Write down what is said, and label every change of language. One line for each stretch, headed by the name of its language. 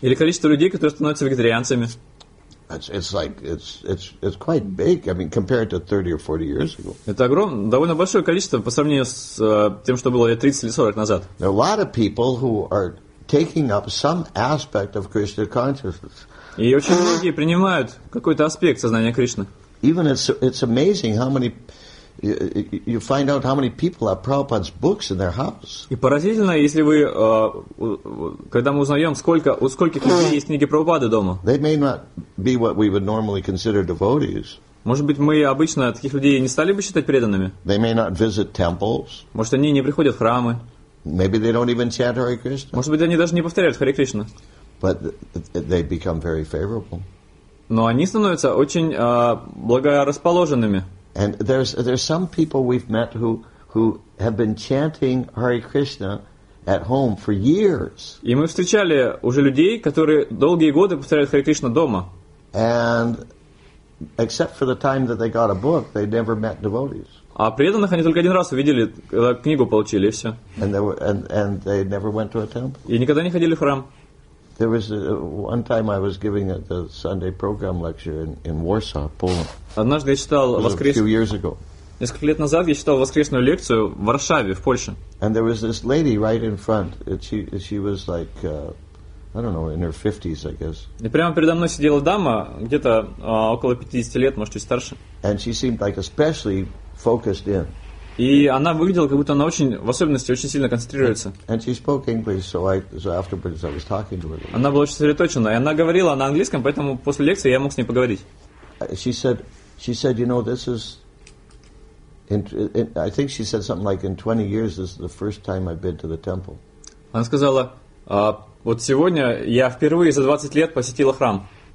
Russian: Или количество людей, которые становятся вегетарианцами.
English: It's quite big. I mean, compared to 30 or 40 years ago.
Russian: Это огромное, довольно большое количество по сравнению с тем, что было 30 или 40 назад.
English: There are a lot of people who are taking up some aspect of Krishna consciousness.
Russian: И очень многие принимают какой-то аспект сознания Кришны.
English: Even it's amazing how many you find out how many people have Prabhupada's books in their house.
Russian: И поразительно, если вы когда мы узнаем, сколько у скольких людей есть книги Прабхупады дома.
English: They may not be what we would normally consider devotees.
Russian: Может быть, мы обычно таких людей не стали бы считать преданными.
English: They may not visit temples.
Russian: Может, они не приходят в храмы.
English: Maybe they don't even chant Hare Krishna.
Russian: Может быть, они даже не повторяют Харе Кришна.
English: But they become very favorable.
Russian: Но они становятся очень благорасположенными.
English: And there's some people we've met who have been chanting Hare Krishna at home for years.
Russian: И мы встречали уже людей, которые долгие годы повторяют Харе Кришна дома.
English: And except for the time that they got a book, they never met devotees.
Russian: А преданных они только один раз увидели, когда книгу получили, и все.
English: And they never went to a temple.
Russian: И никогда не ходили в храм.
English: There was one time I was giving a Sunday program lecture in Warsaw, Poland.
Russian: Однажды я читал
English: few years ago.
Russian: Несколько лет назад я читал воскресную лекцию в Варшаве, в Польше.
English: And there was this lady right in front. She was like, I don't know, in her 50s, I guess.
Russian: И прямо передо мной сидела дама, где-то около 50 лет, может, чуть старше.
English: And she seemed like especially focused in.
Russian: И она выглядела, как будто она очень, в особенности, очень сильно концентрируется.
English: And she spoke English, so afterwards I was talking to her.
Russian: Она была очень сосредоточена, и она говорила на английском, поэтому после лекции я мог с ней поговорить.
English: She said, this is... I think she said something like, in 20 years, this is the first time I've been to the temple.
Russian: Она сказала, вот сегодня я впервые за 20 лет посетила храм.